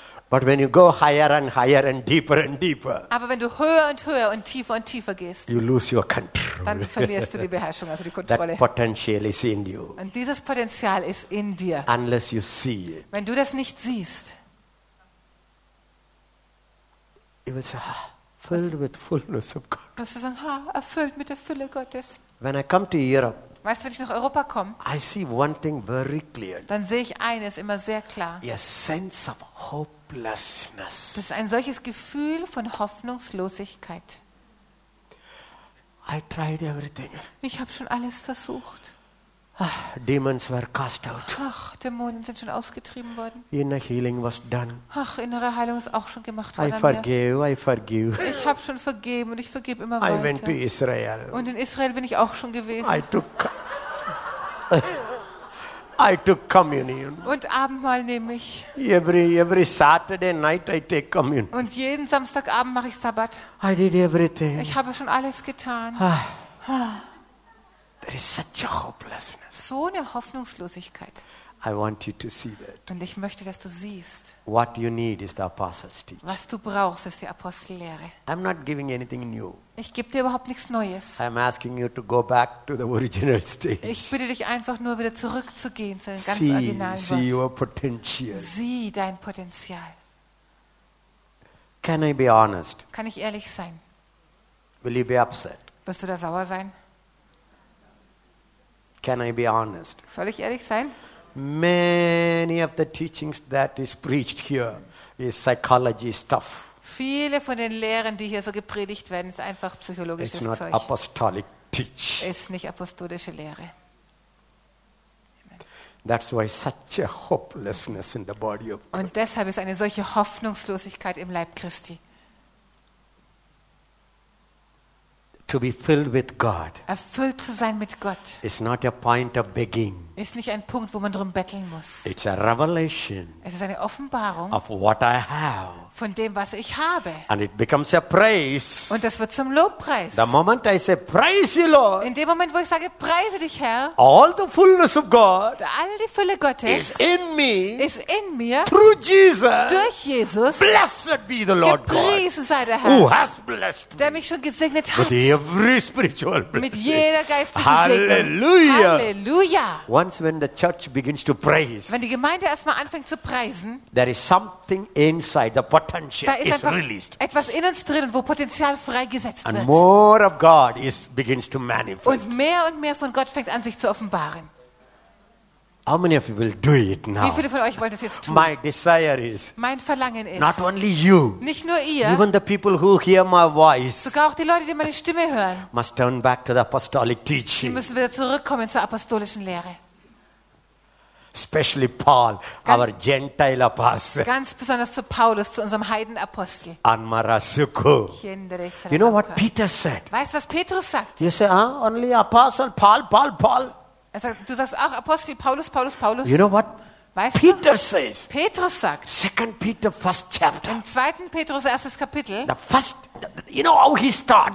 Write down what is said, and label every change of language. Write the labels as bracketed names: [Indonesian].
[English] But when you go higher and higher and deeper and deeper. [German] Aber wenn du höher und höher und tiefer gehst. [English] You lose your control. [German] Dann verlierst du die Beherrschung, also die Kontrolle. [English] That potential is in you. [German] Und dieses Potenzial ist in dir. [English] Unless you see it. [German] Wenn du das nicht siehst. [English] You will say, filled with fullness of God. [German] Du wirst sagen, erfüllt mit der Fülle Gottes. [English] When I come to Europe. [German] Weißt du, wenn ich nach Europa komme, [English] I see one thing very clearly. [German] Dann sehe ich eines immer sehr klar. [English] A sense of hopelessness. [German] Das ist ein solches Gefühl von Hoffnungslosigkeit. [English] I tried everything. [German] Ich habe schon alles versucht. [English] Ah, demons were cast out. [German] Ach, Dämonen sind schon ausgetrieben worden. [English] Inner healing was done. [German] Ach, innere Heilung ist auch schon gemacht [English] worden. I forgive, I forgive. [German] Ich habe schon vergeben und ich vergebe immer weiter. [English] I went to Israel. [German] Und in Israel bin ich auch schon gewesen. [English] I took communion. [German] Und Abendmahl nehme ich. [English] Every Saturday night I take communion. [German] Und jeden Samstagabend mache ich Sabbat. [English] I did everything. [German] Ich habe schon alles getan. [English] There is such a hopelessness. [German] So eine Hoffnungslosigkeit. [English] I want you to see that. [German] Und ich möchte, dass du siehst. [English] What you need is the apostles' teaching. [German] Was du brauchst, ist die Apostellehre. [English] I'm not giving anything new. [German] Ich gebe dir überhaupt nichts Neues. [English] I'm asking you to go back to the original stage. [German] Ich bitte dich einfach nur, wieder zurückzugehen zu dem ganz originalen Wort. [English] See your potential. [German] Sieh dein Potenzial. [English] Can I be honest? [German] Kann ich ehrlich sein? [English] Will you be upset? [German] Wirst du da sauer sein? [English] Can I be honest? [German] Soll ich ehrlich sein? [English] Many of the teachings that is preached here is psychology stuff. [German] Viele von den Lehren, die hier so gepredigt werden, ist einfach psychologisches Zeug. [English] It's not apostolic teach. [German] Ist nicht apostolische Lehre. [English] That's why such a hopelessness in the body of Christ. [German] Und deshalb ist eine solche Hoffnungslosigkeit im Leib Christi. [English] To be filled with God. [German] Erfüllt zu sein mit Gott. [English] Is not a point of begging. [German] Ist nicht ein Punkt, wo man drum betteln muss. [English] It's a revelation. [German] Es ist eine Offenbarung. [English] Of what I have. [German] Von dem, was ich habe. [English] And it becomes a praise. [German] Und das wird zum Lobpreis. [English] The moment I say praise you, Lord. [German] In dem Moment, wo ich sage, preise dich, Herr. [English] All the fullness of God. [German] All die Fülle Gottes. [English] Is in me. [German] Ist in mir. [English] Through Jesus. [German] Durch Jesus. [English] Blessed be the Lord God. [German] Gepriesen sei der Herr. [English] Who has blessed me. [German] Der mich schon gesegnet hat. [English] Every spiritual blessing. [German] Mit jeder geistlichen Halleluja. Segnung. Halleluja. [English] Once when the church begins to praise. [German] Wenn die Gemeinde erstmal anfängt zu preisen. [English] There is something inside. The potential [German] da ist [English] is released. [German] Etwas in uns drin, wo Potenzial freigesetzt [English] and [German] wird. [English] More of God is begins to manifest. [German] Und mehr von Gott fängt an sich zu offenbaren. [English] How many of you will do it now? [German] Wie viele von euch wollen das jetzt tun? [English] My desire is. [German] Mein Verlangen ist. [English] Not only you. [German] Nicht nur ihr. [English] Even the people who hear my voice. [German] Sogar auch die Leute, die meine Stimme hören. [English] Must turn back to the apostolic teaching. [German] Sie müssen wieder zurückkommen zur apostolischen Lehre. [English] Especially Paul, our Gentile apostle. [German] Ganz besonders zu Paulus, zu unserem Heidenapostel. Anmarasuko. [English] You know what Peter said? [German] Weißt du, was Petrus sagt? [English] You say, only apostle Paul. [German] Du sagst auch Apostel Paulus. [English] You know what? [German] Weißt [English] Peter [German] du? [English] Says. [German] Petrus sagt. [English] Second Peter, first chapter. [German] Im zweiten Petrus, erstes Kapitel. [English] The first, you know how he starts.